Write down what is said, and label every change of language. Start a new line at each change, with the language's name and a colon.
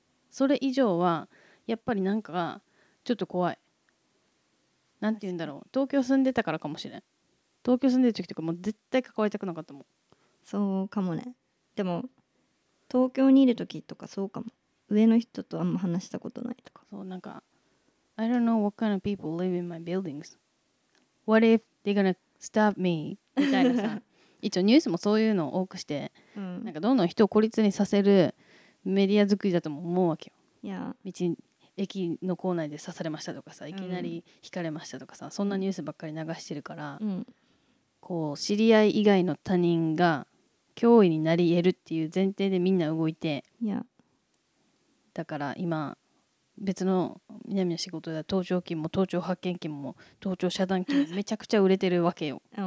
Japanese: それ以上はやっぱりなんかちょっと怖い。なんて言うんだろう、東京住んでたからかもしれん。東京住んでる時とかもう絶対関わりたくなかったもん。そうかもね。でも東京にいる時とかそうかも、上の人とあんま話したことないとか。
English: そう、なんか I don't know what kind of people live in my buildings. What if they're gonna stop me?
Japanese: みたいなさ一応ニュースもそういうのを多くして、なんかどんどん人を孤立にさせるメディア作りだとも思うわけよ。駅の構内で刺されましたとかさ、いきなり引かれましたとかさ、そんなニュースばっかり流してるから、こう知り合い以外の他人が脅威になり得るっていう前提でみんな動いて、だから今別の南の仕事では盗聴器も盗聴発見器も盗聴遮断器もめちゃくちゃ売れてるわけよ。